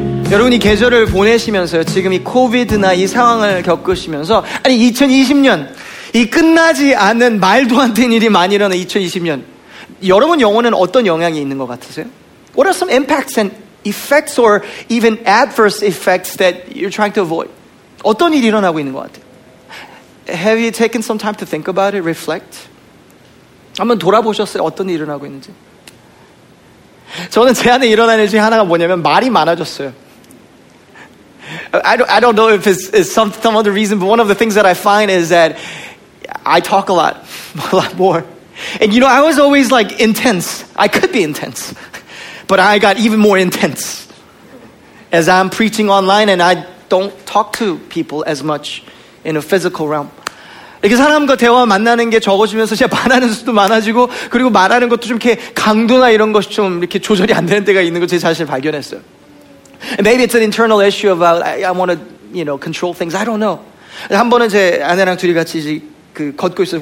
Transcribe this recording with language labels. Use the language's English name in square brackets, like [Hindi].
[Korean] 여러분이 계절을 보내시면서요, 지금 이 코비드나 이 상황을 겪으시면서, 아니 2020년 이 끝나지 않은 말도 안 되는 일이 많이 일어나 2020년, 여러분 영혼은 어떤 영향이 있는 것 같으세요? [English] What are some impacts and effects or even adverse effects that you're trying to avoid? [Korean] 어떤 일이 일어나고 있는 것 같아요? [English] Have you taken some time to think about it, reflect? [Korean] 한번 돌아보셨어요? 어떤 일이 일어나고 있는지. 저는 제 안에 일어나는 일 중에 하나가 뭐냐면 말이 많아졌어요. [English] I don't know if it's some other reason, but one of the things that I find is that I talk a lot more. And you know, I was always like intense. I could be intense, but I got even more intense as I'm preaching online, and I don't talk to people as much in a physical realm. [Korean] 이렇게 사람과 대화 만나는 게 적어지면서 제가 말하는 수도 많아지고, 그리고 말하는 것도 좀 이렇게 강도나 이런 것이 좀 이렇게 조절이 안 되는 때가 있는 걸 제 자신을 발견했어요. [English] And maybe it's an internal issue about I want to, you know, control things. I don't know. [Korean] 한 번은 제 아내랑 둘이 같이 이제 그 걷고 있어요.